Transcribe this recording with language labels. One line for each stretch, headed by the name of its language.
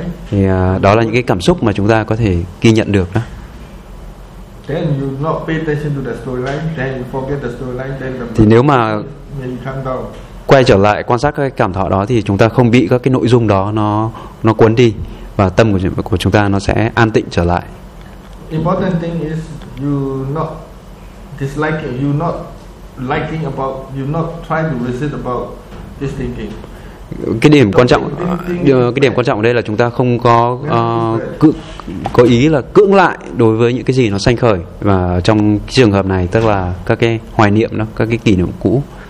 Vietnamese: Thì đó là những cái cảm xúc mà chúng ta có thể ghi nhận được đó.
English: Then you not pay attention to the storyline, then you forget the storyline, then the
Vietnamese: thì nếu mà
English: maybe calm down.
Vietnamese: Quay trở lại quan sát các cảm thọ đó thì chúng ta không bị các cái nội dung đó nó cuốn đi và tâm của chúng ta nó sẽ an tịnh trở lại.
English: Important thing is you not dislike, you not liking about, you not try to resist about this thinking.
Vietnamese: Cái điểm quan trọng ở đây là chúng ta không có có ý là cưỡng lại đối với những cái gì nó sanh khởi, và trong trường hợp này tức là các cái hoài niệm đó, các cái kỷ niệm cũ.